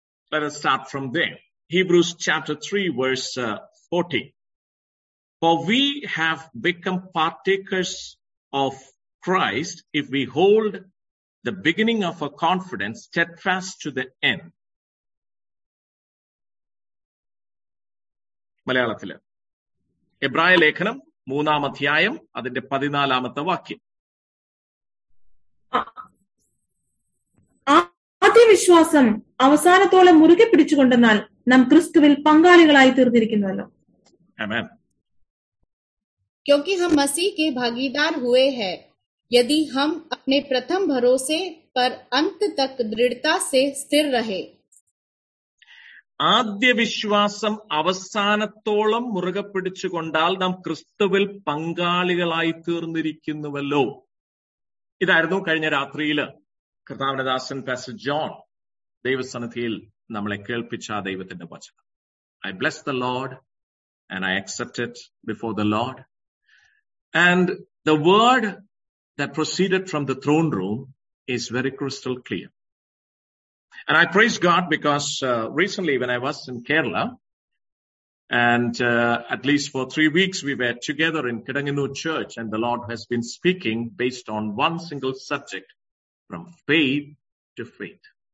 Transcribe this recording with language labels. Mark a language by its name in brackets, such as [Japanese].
[English] Let us start from there. Hebrews chapter 3 verse 14. For we have become partakers of Christ if we hold the beginning of a confidence steadfast to the end. [Malayalam] മലയാളത്തില് എബ്രായ ലേഖനം മൂന്നാം അധ്യായം അതിന്റെ പതിനാലാമത്തെ വാക്യം. ആത്മവിശ്വാസം അവസാനത്തോളം മുറുകെ പിടിച്ചുകൊണ്ടെന്നാൽ നാം ക്രിസ്തുവിൽ പങ്കാളികളായി തീർന്നിരിക്കുന്നുവല്ലോ. ആമേൻ. [Hindi] क्योंकि हम मसीह के भागीदार हुए हैं यदि हम अपने प्रथम भरोसे पर अंत तक दृढ़ता से स्थिर रहे. [Malayalam] ആദ്യ വിശ്വാസം അവസാനത്തോളം മുറുകെ പിടിച്ചുകൊണ്ടാൽ നാം ക്രിസ്തുവിൽ പങ്കാളികളായി തീർന്നിരിക്കുന്നുവല്ലോ. ഇതായിരുന്നു കഴിഞ്ഞ രാത്രിയില് കർത്താവിന്റെ ദാസൻ പാസ്റ്റർ ജോൺ ദൈവസന്നിധിയിൽ നമ്മളെ കേൾപ്പിച്ച ആ ദൈവത്തിന്റെ വചനം. [English] I bless the lord and I accepted before the lord and the word that proceeded from the throne room is very crystal clear. And I praise God because recently when I was in Kerala, and at least for 3 weeks we were together in Kidanganur Church, and the Lord has been speaking based on one single subject, from faith to faith.